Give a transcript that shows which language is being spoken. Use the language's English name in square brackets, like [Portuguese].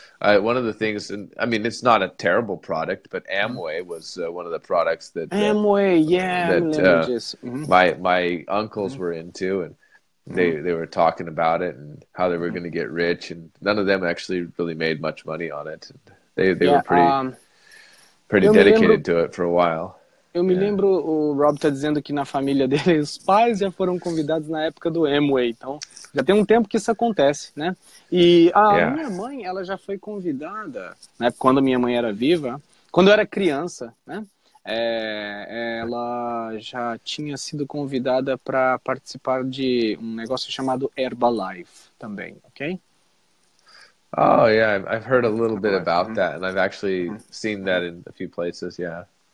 [English] One of the things, and I mean, it's not a terrible product, but Amway was one of the products that Amway, my uncles were into, and they were talking about it and how they were going to get rich, and none of them actually really made much money on it. They were pretty dedicated to it for a while. [Portuguese] Eu me lembro, o Rob tá dizendo que na família dele, os pais já foram convidados na época do Amway. Então, já tem um tempo que isso acontece, né? E a minha mãe, ela já foi convidada, né? Quando minha mãe era viva, quando eu era criança, né? Ela já tinha sido convidada para participar de um negócio chamado Herbalife também, ok? [English] Oh, yeah, I've heard a little bit about that, and I've actually seen that in a few places, yeah.